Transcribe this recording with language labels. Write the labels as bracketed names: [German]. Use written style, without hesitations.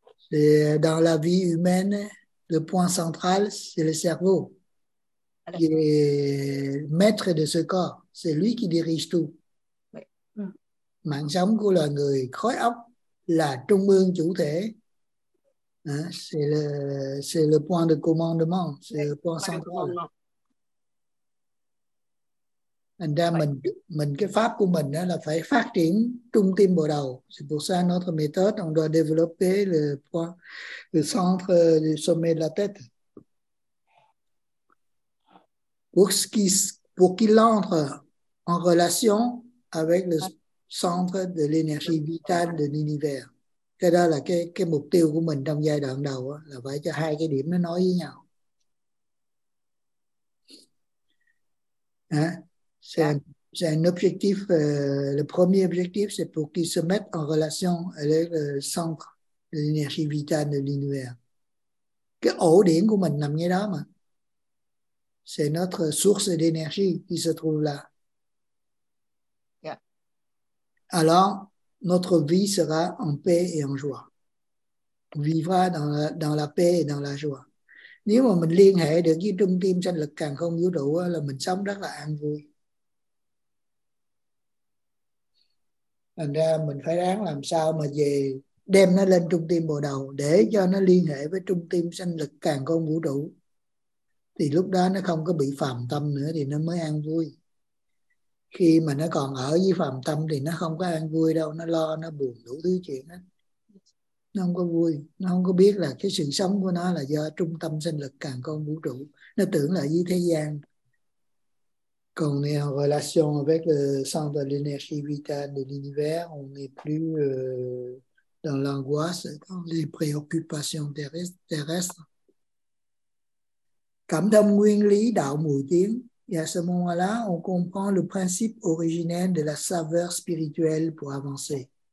[French] C'est dans la vie humaine, le point central, c'est le cerveau. Alors, qui est maître de ce corps. C'est lui qui dirige tout. Oui. [Vietnamese] Mạng sống của loài người, khối óc là trung ương chủ thể. [French] Hein? C'est le point de commandement, c'est le point central. [Vietnamese] Thành ra mình cái pháp của mình là phải phát triển trung tâm bộ đầu. [French] C'est pour ça notre méthode, on doit développer le point, le centre du sommet de la tête. Pour qu'il entre en relation avec le centre de l'énergie vitale de l'univers. [Vietnamese] Cái đó là cái mục tiêu của mình trong giai đoạn đầu, là phải cho hai cái điểm nó nói với nhau. Hả? [French] C'est un objectif, le premier objectif, c'est pour qu'ils se mettent en relation avec le centre de l'énergie vitale de l'univers. [Vietnamese] Cái ổ điện của mình nằm ngay đó mà. [French] C'est notre source d'énergie qui se trouve là. Yeah. Alors, notre vie sera en paix et en joie. On vivra dans la paix et dans la joie. [Vietnamese] Nếu mà mình liên hệ được với trung tâm sanh lực càn khôn vũ trụ là mình sống rất là an vui. Thành ra mình phải ráng làm sao mà về đem nó lên trung tâm bộ đầu để cho nó liên hệ với trung tâm sanh lực càn khôn vũ trụ. Thì lúc đó nó không có bị phàm tâm nữa thì nó mới an vui. Khi mà nó còn ở với phàm tâm thì nó không có an vui đâu. Nó lo, nó buồn đủ thứ chuyện đó. Nó không có vui. Nó không có biết là cái sự sống của nó là do trung tâm sanh lực càn khôn vũ trụ. Nó tưởng là với thế gian. [French] Quand on est en relation avec le centre de l'énergie vitale de l'univers, on n'est plus dans l'angoisse, dans les préoccupations terrestres. [Vietnamese] Cảm thông nguyên lý đạo mùi tiếng. [French] Et à ce moment-là, on comprend le principe originel de la saveur spirituelle pour avancer.